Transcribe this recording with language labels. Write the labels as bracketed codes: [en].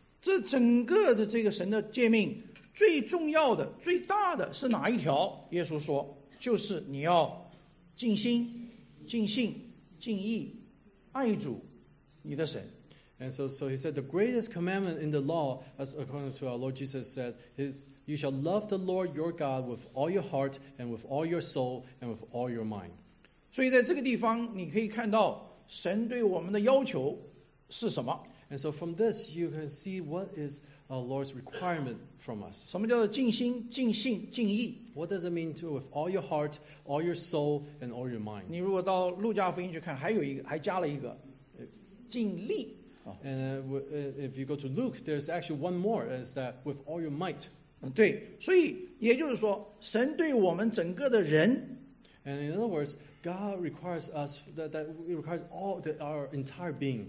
[zh] 这整个的这个神的诫命最重要的最大的是哪一条？耶稣说就是你要尽心尽性尽意爱主你的神。 [en] And so he said the greatest commandment in the law, as according to our Lord Jesus said, is you shall love the Lord your God with all your heart and with all your soul and with all your mind. [zh] 所以在这个地方你可以看到神对我们的要求是什么。 [en] And so from this, you can see what is our Lord's requirement from us. [zh] 什么叫做尽心、尽性、尽意？ [en] What does it mean to with all your heart, all your soul, and all your mind? [zh] 你如果到路加福音去看，还有一个，还加了一个，尽力。 [en] And if you go to Luke, there's actually one more, is that with all your might. [zh] 对，所以也就是说，神对我们整个的人。 [en] And in other words,God requires us that it requires all that our entire being.